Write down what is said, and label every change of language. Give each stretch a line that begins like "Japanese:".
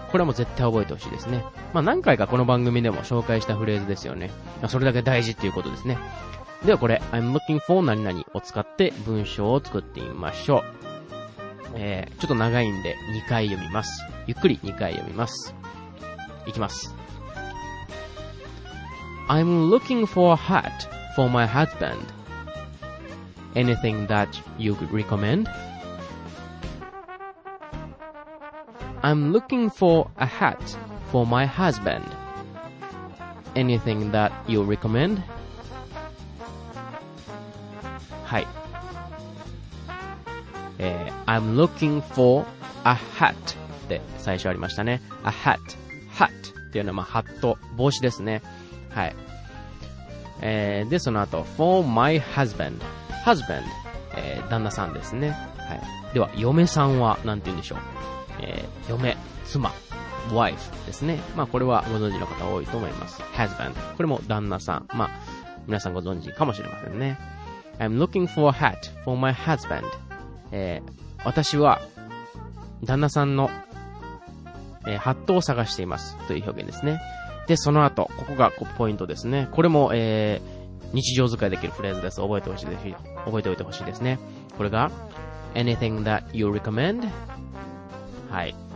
Japanese: これも絶対覚えてほしいですね。まあ何回かこの番組でも紹介したフレーズですよね。それだけ大事っていうことですね。ではこれ、
English: I'm looking for
Japanese: 何々を使って文章を作ってみましょう。ちょっと長いんで2回読みます。ゆっくり2回読みます。いきます。
English: I'm looking for a hat for my husband. Anything that you could recommend? I'm looking for a hat for my husband. Anything that you recommend?
Japanese: はい。
English: I'm looking for a hat
Japanese: で最初ありましたね。 a hat hat っていうのはまあハット、帽子ですね。はい。でその後 for my husband husband、旦那さんですね。はい。では嫁さんはなんて言うんでしょう。嫁妻 wife ですね。まあこれはご存知の方多いと思います。 husband これも旦那さん、まあ皆さんご存知かもしれませんね。
English: I'm looking for a hat for my husband。
Japanese: 私は旦那さんの、ハットを探していますという表現ですね。でその後ここがポイントですね。これも、日常使いできるフレーズです。覚えてほしいです。覚えておいてほしいですね。これが
English: Anything that you recommend。はい。